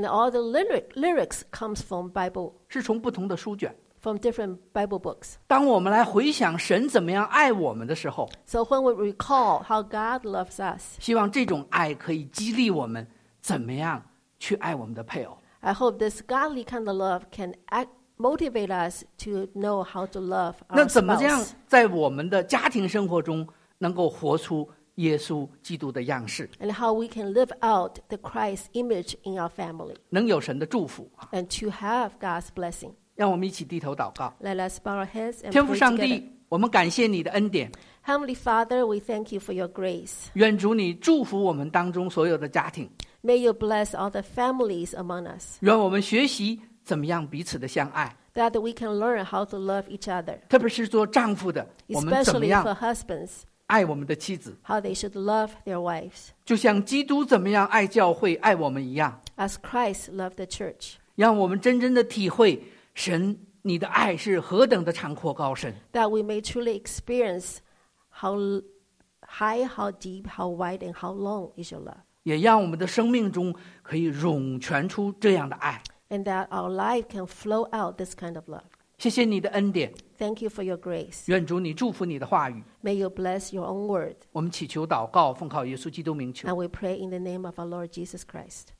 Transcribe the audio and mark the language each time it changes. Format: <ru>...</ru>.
<en>And all the lyrics comes from Bible.</en> <zh>是从不同的书卷。</zh> <en>From different Bible books.</en> <zh>当我们来回想神怎么样爱我们的时候。</zh> <en>So when we recall how God loves us.</en> <zh>希望这种爱可以激励我们怎么样去爱我们的配偶。</zh> <en>I hope this godly kind of love can motivate us to know how to love our spouse.</en> <zh>那怎么这样在我们的家庭生活中能够活出耶稣基督的样式。</zh> <en>And how we can live out the Christ image in our family.</en> <zh>能有神的祝福。</zh> <en>And to have God's blessing.</en> <zh>让我们一起低头祷告。</zh> <en>Let us bow our heads and pray together.</en> <zh>天父上帝，我们感谢你的恩典。</zh> <en>Heavenly Father, we thank you for your grace.</en> <zh>愿主你祝福我们当中所有的家庭。</zh> <en>May you bless all the families among us.</en> <zh>愿我们学习怎么样彼此的相爱。</zh> <en>That we can learn how to love each other.</en> <zh>特别是做丈夫的，我们怎么样</zh> <en>？Especially for husbands.</en> <zh>爱我们的妻子。</zh> <en>How they should love their wives.</en> <zh>就像基督怎么样爱教会，爱我们一样。</zh> <en>As Christ loved the church.</en> <zh>让我们真正的体会神你的爱是何等的长阔高深。</zh> <en>That we may truly experience how high, how deep, how wide, and how long is your love.</en> <zh>也让我们的生命中可以涌泉出这样的爱。</zh> <en>And that our life can flow out this kind of love.</en> <zh>谢谢你的恩典。</zh> <en>Thank you for your grace.</en> <zh>愿主你祝福你的话语。</zh> <en>May you bless your own word.</en> <zh>我们祈求祷告奉靠耶稣基督名求。</zh> <en>And we pray in the name of our Lord Jesus Christ.</en>